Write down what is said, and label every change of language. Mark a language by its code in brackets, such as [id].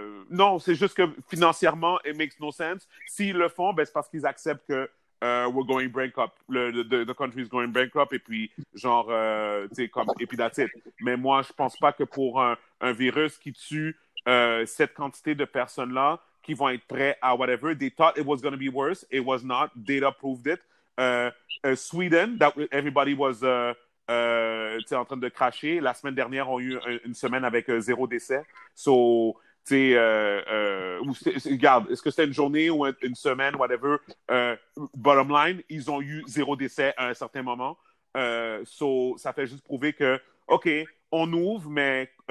[fr] non, c'est juste que financièrement, [en] it makes no sense. [fr] S'ils le font, ben, c'est parce qu'ils acceptent que [en] we're going bankrupt. The country is going bankrupt. [fr] Et puis, genre... et puis, [en] that's it. [fr] Mais moi, je pense pas que pour un virus qui tue cette quantité de personnes-là, qui vont être prêts à whatever. [en] They thought it was going to be worse. It was not. Data proved it. [fr] Sweden, [en] that everybody was [fr] en train de cracher. La semaine dernière, on a eu une semaine avec 0 décès. So, tu sais, regarde, est-ce que c'était une journée ou une semaine, whatever. [en] Bottom line, [fr] ils ont eu 0 décès à un certain moment. So, ça fait juste prouver que, OK, on ouvre, mais